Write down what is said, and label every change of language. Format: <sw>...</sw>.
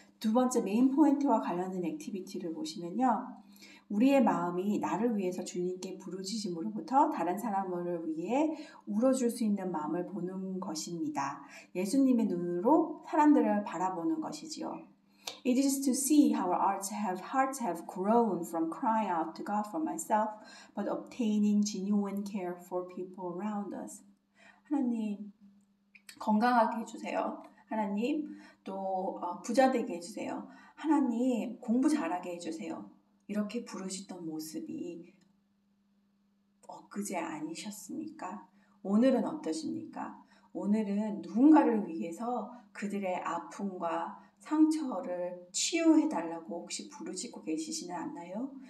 <ko>두 번째 메인 포인트와 관련된 액티비티를 보시면요. 우리의 마음이 나를 위해서 주님께 부르짖음으로부터 다른 사람을 위해 울어줄 수 있는 마음을 보는 것입니다. 예수님의 눈으로 사람들을 바라보는 것이지요.</ko> <en>It is to see how our hearts have grown from crying out to God for myself, but obtaining genuine care for people around us.</en> <ko>하나님, 건강하게 해주세요. 하나님, 또 부자되게 해주세요. 하나님, 공부 잘하게 해주세요. 이렇게 부르시던 모습이 엊그제 아니셨습니까? 오늘은 어떠십니까? 오늘은 누군가를 위해서 그들의 아픔과 상처를 치유해달라고 혹시 부르짖고 계시지는 않나요?</ko>